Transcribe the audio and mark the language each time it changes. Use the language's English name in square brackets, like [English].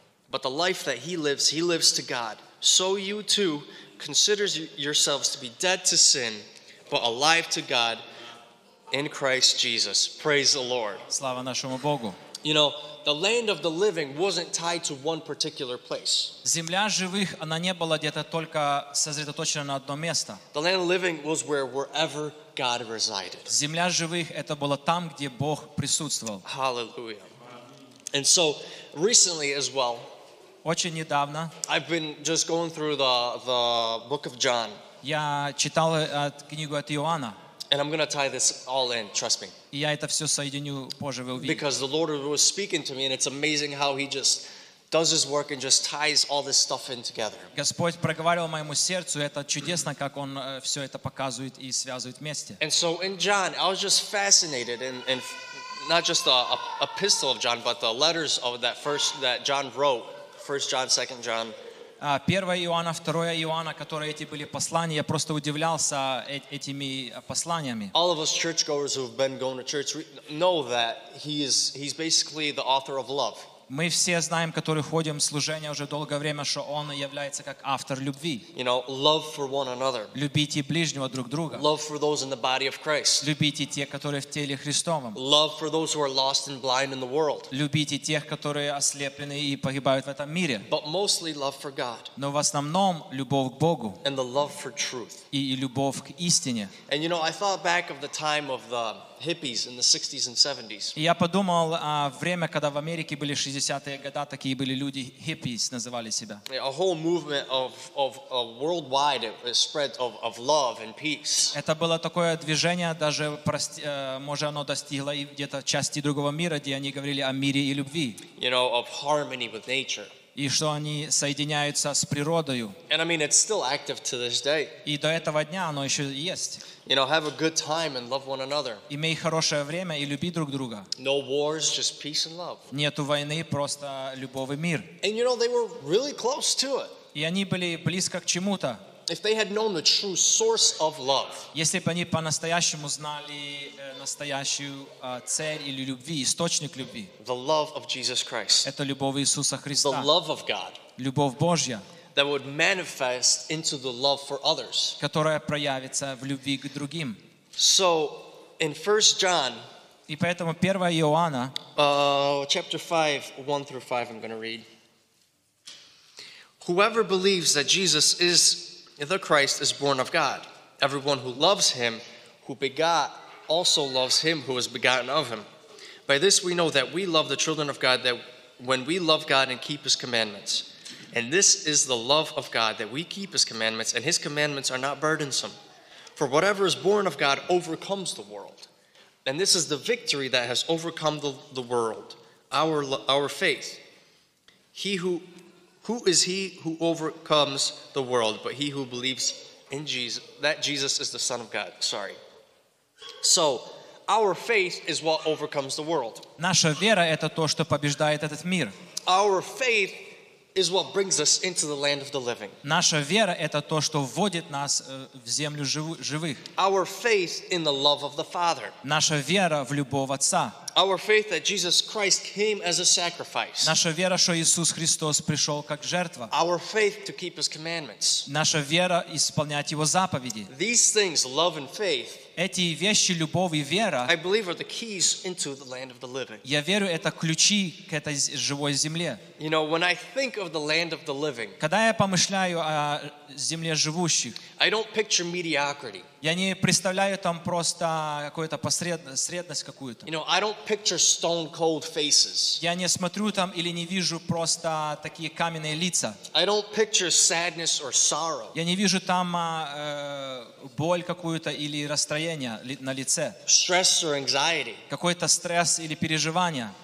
[English] But the life that he lives to God. So you too consider yourselves to be dead to sin, but alive to God in Christ Jesus. Praise the Lord. [Russian] Слава нашему Богу. [English] You know, the land of the living wasn't tied to one particular place. [Russian] Земля живых, она не была где-то только сосредоточена на одно место. [English] The land of living was where wherever God resided. [Russian] Земля живых это было там, где Бог присутствовал. [English] Hallelujah. And so recently as well, [Russian] очень недавно, [English] I've been just going through the book of John. [Russian] Я читал книгу от Иоанна. [English] And I'm going to tie this all in, trust me. [Russian] Я это всё соединю позже в Иове. [English] Because the Lord was speaking to me and it's amazing how he just does his work and just ties all this stuff in together. [Russian] Господь проговаривал моему сердцу, это чудесно, как он всё это показывает и связывает вместе. [English] And so in John, I was just fascinated in not just the epistle of John, but the letters of that first that John wrote, 1 John, 2 John. [Russian] 1 Иоанна, 2 Иоанна, которые эти были послания, я просто удивлялся этими посланиями. [English] All of us churchgoers who have been going to church know that he's basically the author of love. [Russian] Мы все знаем, которые ходим в служение уже долгое время, что он является как автор любви. [English] You know, love for one another. [Russian] Любите ближнего друг друга. [English] Love for those in the body of Christ. [Russian] Любите тех, которые в теле Христовом. [English] Love for those who are lost and blind in the world. [Russian] Любите тех, которые ослеплены и погибают в этом мире. [English] But mostly love for God. [Russian] Но в основном любовь к Богу. [English] And the love for truth. [Russian] И любовь к истине. [English] And you know, I thought back of the time of the hippies in the 60s and 70s. [Russian] Я подумал о время, когда в Америке были 60-е годы, такие были люди hippies называли себя. [English] A whole movement of worldwide spread of love and peace. [Russian] Это было такое движение, даже может оно достигло и где-то части другого мира, где они говорили о мире и любви. [English] You know, of harmony with nature. [Russian] И что они соединяются с природою. [English] And I mean, it's still active to this day. [Russian] И до этого дня оно еще есть. [English] You know, have a good time and love one another. [Russian] Имей хорошее время и люби друг друга. [English] No wars, just peace and love. [Russian] Нету войны, просто любовь и мир. [English] And you know, they were really close to it. [Russian] И они были близко к чему-то. [English] If they had known the true source of love. [Russian] Если бы они по-настоящему знали настоящую цель или любви, источник любви. [English] The love of Jesus Christ. [Russian] Это любовь Иисуса Христа. [English] The love of God. [Russian] Любовь Божья. [English] That would manifest into the love for others. [Russian] Которая проявится в любви к другим. [English] So in 1 John. [Russian] И поэтому 1 Иоанна. [English] Chapter 5, 1 through 5 I'm going to read. Whoever believes that Jesus is the Christ is born of God. Everyone who loves him, who begot, also loves him who was begotten of him. By this we know that we love the children of God, that when we love God and keep his commandments. And this is the love of God, that we keep his commandments, and his commandments are not burdensome. For whatever is born of God overcomes the world. And this is the victory that has overcome the world, our faith. Who is he who overcomes the world, but he who believes in Jesus, that Jesus is the Son of God? Sorry. So, our faith is what overcomes the world. [Russian] Наша вера — это то, что побеждает этот мир. [English] Our faith is what brings us into the land of the living. [Russian] Наша вера — это то, что вводит нас в землю живых. [English] Our faith in the love of the Father. [Russian] Наша вера в любовь Отца. [English] Our faith that Jesus Christ came as a sacrifice. [Russian] Наша вера, что Иисус Христос пришел как жертва. [English] Our faith to keep his commandments. [Russian] Наша вера исполнять его заповеди. [English] These things, love and faith, [Russian] эти вещи, любовь и вера, [English] I believe are the keys into the land of the living. [Russian] Я верю, это ключи к этой живой земле. [English] You know, when I think of the land of the living, [Russian] когда я помышляю о земле живущих, [English] I don't picture mediocrity. [Russian] Я не представляю там просто какую-то посредность какую-то. [English] You know, I don't picture stone cold faces. [Russian] Я не смотрю там или не вижу просто такие каменные лица. [English] I don't picture sadness or sorrow. [Russian] Я не вижу там боль какую-то или расстроение на лице. [English] Stress or anxiety. [Russian] Какой-то стресс или переживание.